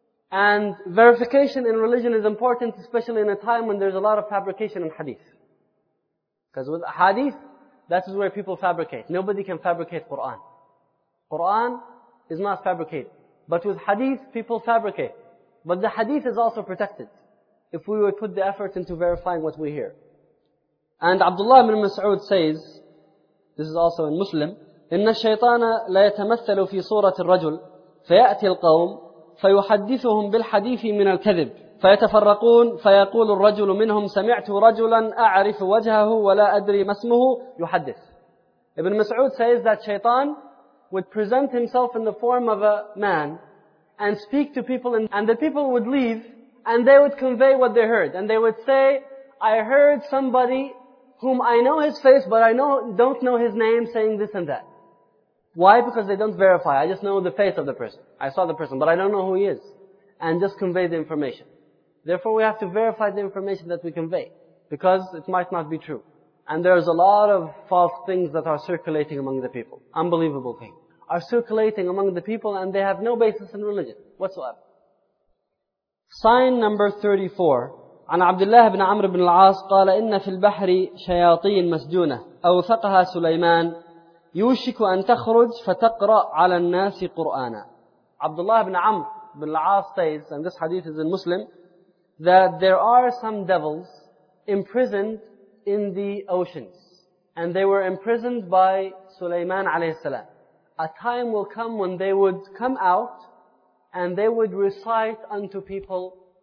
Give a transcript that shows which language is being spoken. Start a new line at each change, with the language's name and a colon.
English: And verification in religion is important, especially in a time when there's a lot of fabrication in hadith. Because with hadith, that is where people fabricate. Nobody can fabricate Qur'an. Qur'an is not fabricated. But with hadith, people fabricate. But the hadith is also protected. If we would put the effort into verifying what we hear. And Abdullah ibn Mas'ud says, this is also in Muslim,
Arabic: إِنَّ الشَّيْطَانَ لَيَتَمَثَّلُ فِي صُورَةِ الرَّجُلِ فَيَأْتِي الْقَوْمِ فيحدثهم بالحديث من الكذب فيتفرقون فيقول الرجل منهم سمعت رجلا أعرف وجهه ولا أدري ما اسمه يحدث.
English: Ibn Mas'ud says that Shaytan would present himself in the form of a man and speak to people and the people would leave and they would convey what they heard and they would say, I heard somebody whom I know his face but I don't know his name saying this and that. Why? Because they don't verify. I just know the face of the person. I saw the person, but I don't know who he is. And just convey the information. Therefore, we have to verify the information that we convey. Because it might not be true. And there's a lot of false things that are circulating among the people. Unbelievable things. Are circulating among the people and they have no basis in religion whatsoever. Sign number 34.
Arabic: عن عبد الله بن عمرو بن العاص قال إن في البحر شياطين مسجونة أوثقها سليمان يوشك أن تخرج فتقرأ على الناس قرآنا.
English: Abdullah ibn Amr ibn al-As says, and this hadith is in Muslim, that there are some devils imprisoned in the oceans. And they were imprisoned by Sulaiman alayhi salam. A time will come when they would come out and they would recite unto people.